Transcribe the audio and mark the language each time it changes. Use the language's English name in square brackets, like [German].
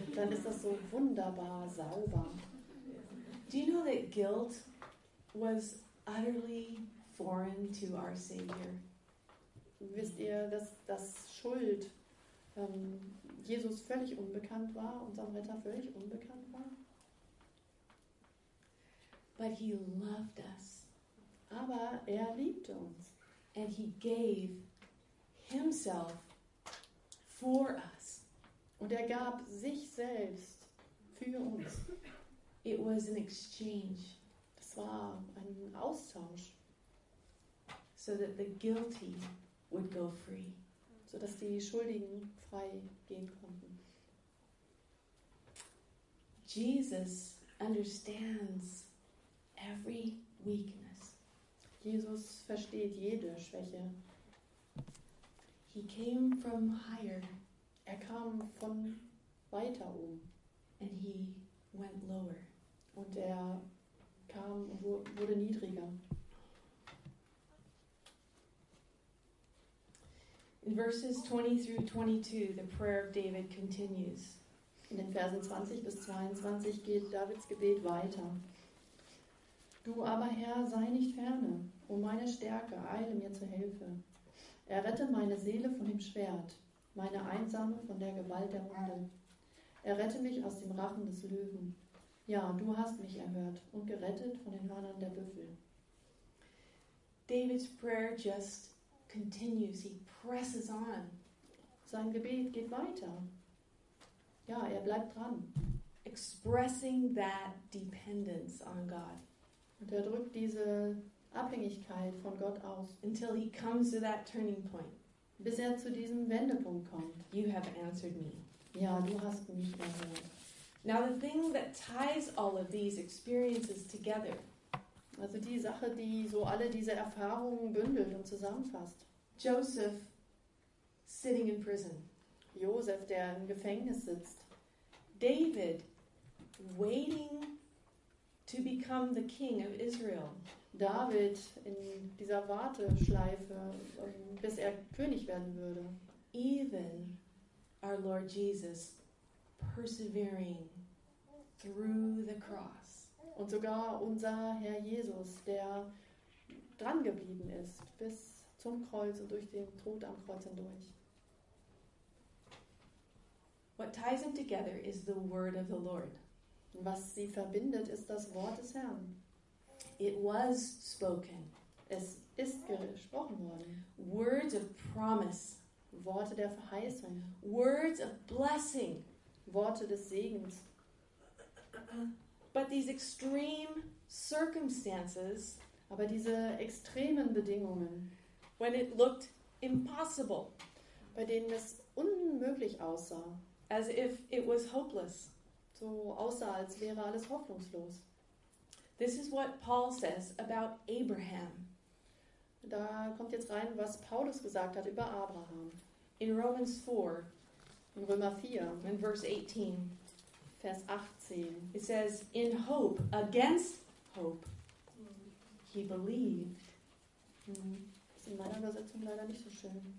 [German] Dann ist das so wunderbar sauber. [English] Do you know that guilt was utterly foreign to our Savior? [German] Wisst ihr, dass Schuld Jesus völlig unbekannt war, unserem Retter völlig unbekannt war? [English] But he loved us. [German] Aber er liebte uns. [English] And he gave himself for us. [German] Und er gab sich selbst für uns. [English] It was an exchange. [German] war ein Austausch. [English] So that the guilty would go free. [German] So dass die Schuldigen frei gehen konnten. [English] Jesus understands every weakness. [German] Jesus versteht jede Schwäche. [English] He came from higher. [German] Er kam von weiter oben. [English] And he went lower. [German] Und er kam und wurde niedriger. [English] In verses 20 through 22, the prayer of David continues. [German] In den Versen 20 bis 22 geht Davids Gebet weiter. Du aber, Herr, sei nicht ferne, o meine Stärke, eile mir zu Hilfe. Errette meine Seele von dem Schwert, meine Einsame von der Gewalt der Hunde. Errette mich aus dem Rachen des Löwen. Ja, du hast mich erhört und gerettet von den Hörnern der Büffel. [English] David's prayer just continues. He presses on. [German] Sein Gebet geht weiter. Ja, er bleibt dran. [English] Expressing that dependence on God. [German] Und er drückt diese Abhängigkeit von Gott aus. [English] Until he comes to that turning point. [German] Bis er zu diesem Wendepunkt kommt. [English] You have answered me. [German] Ja, du hast mich erhört. [English] Now the thing that ties all of these experiences together. [German] Also die Sache, die so alle diese Erfahrungen bündelt und zusammenfasst. [English] Joseph sitting in prison. [German] Joseph, der im Gefängnis sitzt. [English] David waiting to become the king of Israel. [German] David in dieser Warteschleife, bis er König werden würde. [English] Even our Lord Jesus persevering through the cross. [German] Und sogar unser Herr Jesus, der dran geblieben ist, bis zum Kreuz und durch den Tod am Kreuz hindurch. [English] What ties them together is the word of the Lord. [German] Was sie verbindet, ist das Wort des Herrn. [English] It was spoken. [German] Es ist gesprochen worden. [English] Words of promise. [German] Worte der Verheißung. [English] Words of blessing. [German] Worte des Segens. [English] But these extreme circumstances, [German] aber diese extremen Bedingungen, [English] when it looked impossible, [German] bei denen es unmöglich aussah, [English] as if it was hopeless, [German] so aussah, als wäre alles hoffnungslos. [English] This is what Paul says about Abraham. [German] Da kommt jetzt rein, was Paulus gesagt hat über Abraham. [English] In Romans 4, [German] in Römer 4, [English] in verse 18, [German] Vers 18, [English] it says, in hope, against hope, he believed. [German] Das ist in meiner Übersetzung leider nicht so schön.